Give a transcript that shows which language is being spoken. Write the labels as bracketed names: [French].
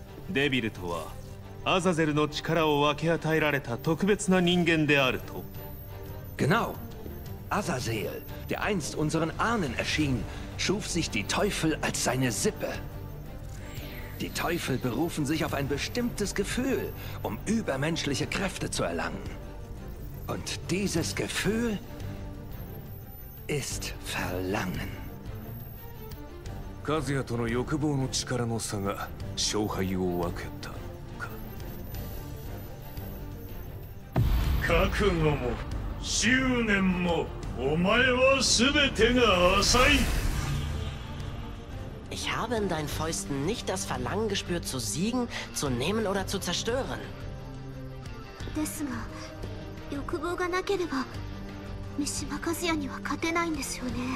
[Japanese] デビルとはアザゼルの力を分け与えられた特別な人間であると。 [German] Genau! Azazel, der einst unseren Ahnen erschien, schuf sich die Teufel als seine Sippe. Die Teufel berufen sich auf ein bestimmtes Gefühl, um übermenschliche Kräfte zu erlangen. Und dieses Gefühl ist Verlangen. [Japanese] カズヤとの欲望の力の差が勝敗を分けたのか。覚悟も執念もお前は全てが浅い。 [German] Ich habe in deinen Fäusten nicht das Verlangen gespürt zu siegen, zu nehmen oder zu zerstören. [Japanese] ですが、欲望がなければ三島和也には勝てないんですよね。